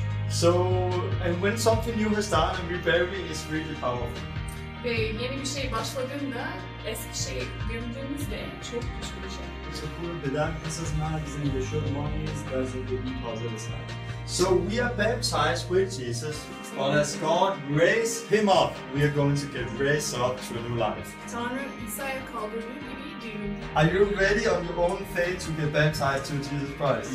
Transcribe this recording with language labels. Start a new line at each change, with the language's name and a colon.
English: So, and when something new has started and we bury, it's really powerful.
Turkish: Yeni bir şey başladığında, eski şey gömdüğümüzde çok güçlü bir şey.
English: So, cool. But that this is not in the short moments, that's a good positive sign. So, we are baptized with Jesus, but as God raised him up, we are going to get raised up to a new life.
Turkish: Tanrı İsa'ya kaldırdı.
English: Are you ready on your own faith to get baptized to Jesus Christ?